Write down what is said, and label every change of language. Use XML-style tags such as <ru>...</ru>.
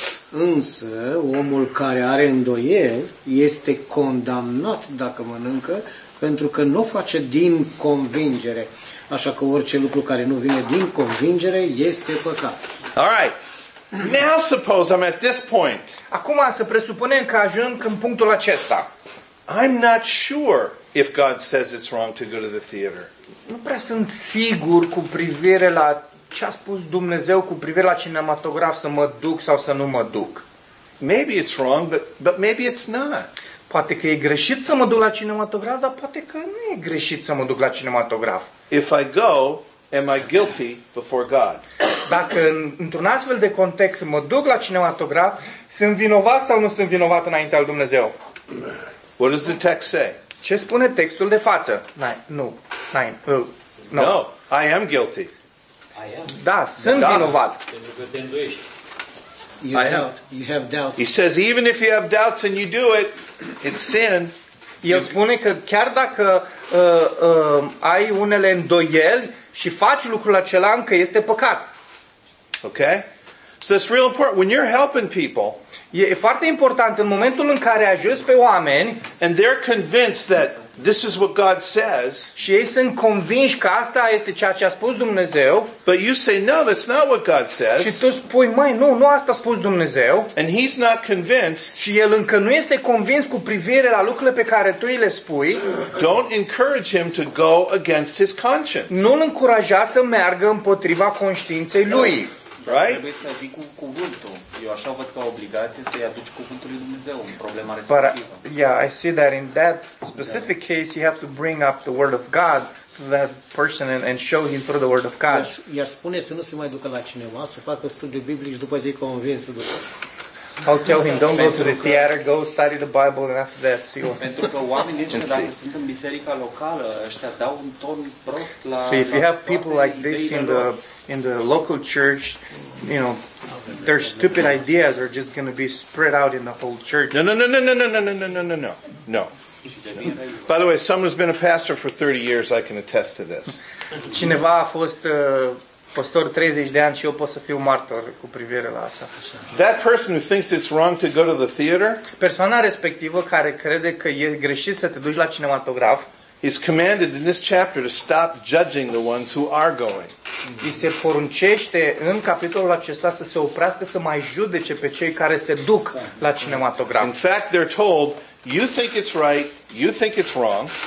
<ro>Însă, omul care are îndoieli este condamnat dacă mănâncă, pentru că nu o face din convingere. Așa că orice lucru care nu vine din convingere este păcat.</ro> <en>All right. Now suppose I'm at this point.</en> <ro>Acum să presupunem că ajung în punctul acesta.</ro> <en>I'm not sure if God says it's wrong to go to the theater.</en> <ro>Nu prea sunt sigur cu privire la ce a spus Dumnezeu cu privire la cinematograf, să mă duc sau să nu mă duc.</ro> <en>Maybe it's wrong, but maybe it's not.</en> <ro>Poate că e greșit să mă duc la cinematograf, dar poate că nu e greșit să mă duc la cinematograf.</ro> <en>If I go, am I guilty before God?</en> <ro>Dacă într-un astfel de context mă duc la cinematograf, sunt vinovat sau nu sunt vinovat înaintea lui Dumnezeu?</ro> <en>What does the text say?</en> <ro>Ce spune textul de față?</ro> <en>No, I am guilty.</en> <ro>Da, sunt vinovat.</ro> <en>You have doubts. He says even if you have doubts and you do it, it's sin.</en> <ro>El spune că chiar dacă ai unele îndoieli și faci lucrul acela, încă este păcat. Okay?</ro> <en>So it's real important when you're helping people.</en> <ro>E foarte important în momentul în care ajuți pe oameni</ro> <en>and they're convinced that this is what God says.</en> <ro>Și ei sunt convinși că asta este ceea ce a spus Dumnezeu.</ro> <en>But you say no, that's not what God says.</en> <ro>Și tu spui, măi, nu asta a spus Dumnezeu.</ro> <en>And he's not convinced.</en> <ro>Și el încă nu este convins cu privire la lucrurile pe care tu îi le spui.</ro> <en>Don't encourage him to go against his conscience.</en> <ro>Nu-l încuraja să meargă împotriva conștiinței lui.</ro> <en>Right?</en> <ro>Trebuie să vii cu cuvântul. Eu așa văd ca obligație să-i aduci cuvântul lui Dumnezeu în problema respectivă.</ro> <en>I see that in that specific case you have to bring up the word of God to that person and show him through the word of God.</en> <ro>I-aș spune să nu se mai ducă la cinema, să facă studii biblici după ce-i convins să ducă.</ro> <en>I'll tell him, don't go to the theater, go study the Bible and after that see what.</en> <ro>Pentru că oamenii ăștia dacă sunt în biserica locală, ăștia dau un ton prost la.</ro> <en>See, if you have people like this in the local church, you know, their stupid ideas are just going to be spread out in the whole church. No. By the way, someone who's been a pastor for 30 years, I can attest to this.</en> <ro>Cineva a fost pastor 30 de ani și eu pot să fiu martor cu privire la asta.</ro> <en>That person who thinks it's wrong to go to the theater?</en> <ro>Persoana respectivă care crede că e greșit să te duci la cinematograf.</ro> <en>Is commanded in this chapter to stop judging the ones who are going.</en> <ro>Îi se poruncește în capitolul acesta să se oprească să mai judece pe cei care se duc la cinematograf.</ro> <en>In fact, they're told, you think it's right, you think it's wrong.</en>